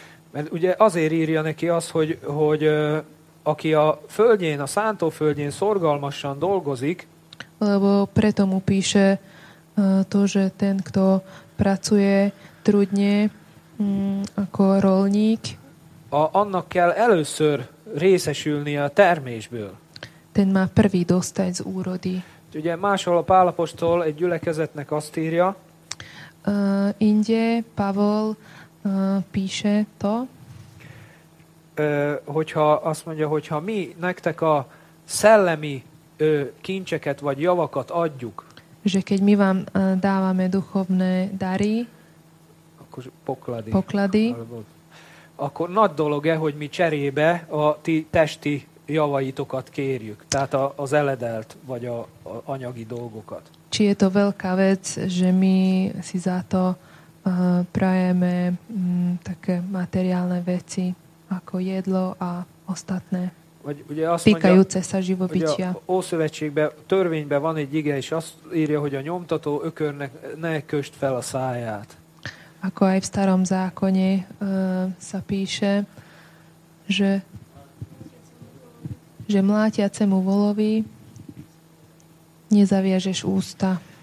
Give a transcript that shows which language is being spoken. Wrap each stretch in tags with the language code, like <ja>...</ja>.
<hu>Mert ugye azért írja neki az, hogy aki a földjén, a szántóföldjén szorgalmasan dolgozik,</hu> <sk>lebo preto mu píše to, že ten, kto pracuje trudne ako rolník,</sk> <hu>annak kell először részesülnie a termésből.</hu> <sk>Ten má prvý dostať z úrody.</sk> <hu>Ugye máshol a Pál apostol egy gyülekezetnek azt írja,</hu> <sk>inde Pavol píše to,</sk> <hu>hogyha azt mondja, hogyha mi nektek a szellemi kincseket vagy javakat adjuk,</hu> <sk>že keď my vám dávame duchovné dary,</sk> <hu>akkor poklady,</hu> <sk>poklady,</sk> <hu>akkor nagy dolog-e, hogy mi cserébe a ti testi javaitokat kérjük, tehát az eledelt vagy a anyagi dolgokat.</hu> <sk>Či je to veľká vec, že my si za to prajeme také materiálne veci, ako jedlo a ostatné, týkajúce sa živobytia.</sk> <hu>Ószövetségben, törvényben van egy ige, és azt írja, hogy a nyomtató ökörnek ne köst fel a száját.</hu> <sk>Ako aj v starom zákone sa píše, že mlátiacemu volovi nezaviažeš ústa.</sk>